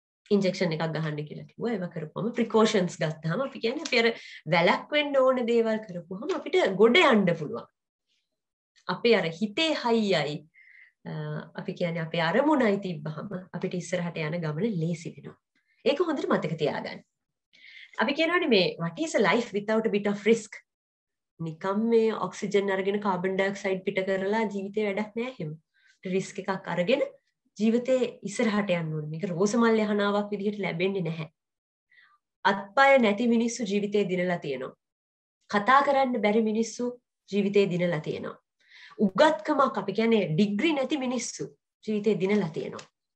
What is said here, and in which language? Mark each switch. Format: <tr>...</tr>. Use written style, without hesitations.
<si>Injection එකක් ගහන්න කියලා කිව්වා. ඒව කරපුවම ප්‍රිකෝෂන්ස් ගත්තාම අපි කියන්නේ අපි අර වැළැක්වෙන්න ඕන දේවල් කරපුවම අපිට ගොඩ යන්න පුළුවන්. අපේ අර හිතේ හයියයි අපි කියන්නේ අපේ අරමුණයි තිබ්බහම අපිට ඉස්සරහට යන ගමන ලේසි වෙනවා. ඒක හොඳට මතක තියාගන්න. අපි කියනවානේ මේ</si> <en>what is a life without a bit of risk?</en> <si>නිකම් මේ ඔක්සිජන් අරගෙන කාබන් ඩයොක්සයිඩ් පිට කරලා ජීවිතේ වැඩක් නැහැ එහෙම. රිස්ක් එකක් අරගෙන ජීවිතේ ඉස්සරහට යන්න ඕනේ. මේක රෝසමල් යහනාවක් විදිහට ලැබෙන්නේ නැහැ. අත්පය නැති මිනිස්සු ජීවිතේ දිනලා තියෙනවා. කතා කරන්න බැරි මිනිස්සු ජීවිතේ දිනලා තියෙනවා. උගත්කමක් අපි කියන්නේ ඩිග්‍රි නැති මිනිස්සු ජීවිතේ දිනලා තියෙනවා.</si>